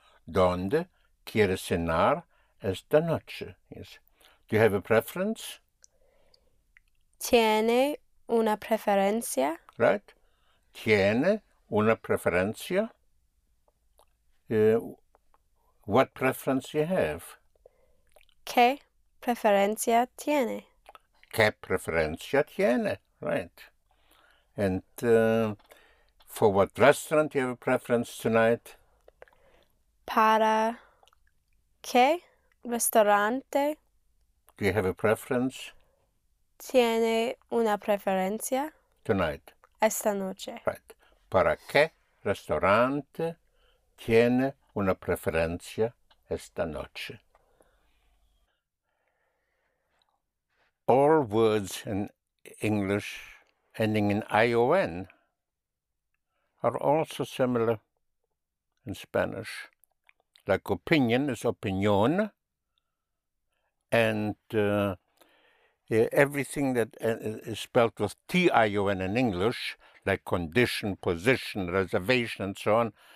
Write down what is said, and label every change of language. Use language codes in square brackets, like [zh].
[es] Donde quiere cenar esta noche? [en] Yes. Do you have a preference? [es] Tiene una preferencia? [en] Right. [es] Tiene una preferencia? [en] What preference you have? [es] ¿Qué preferencia tiene? ¿Qué preferencia tiene? [en] Right. And for what restaurant you have a preference tonight? [es] ¿Para qué restaurante [en] Do you have a preference [es] tiene una preferencia [en] tonight? [es] esta noche? [en] Right. [es] ¿Para qué restaurante tiene una preferencia esta noche? [en] All words in English ending in ION are also similar in Spanish. Like opinion is opinión, and everything that is spelled with TION in English, like condition, position, reservation, and so on.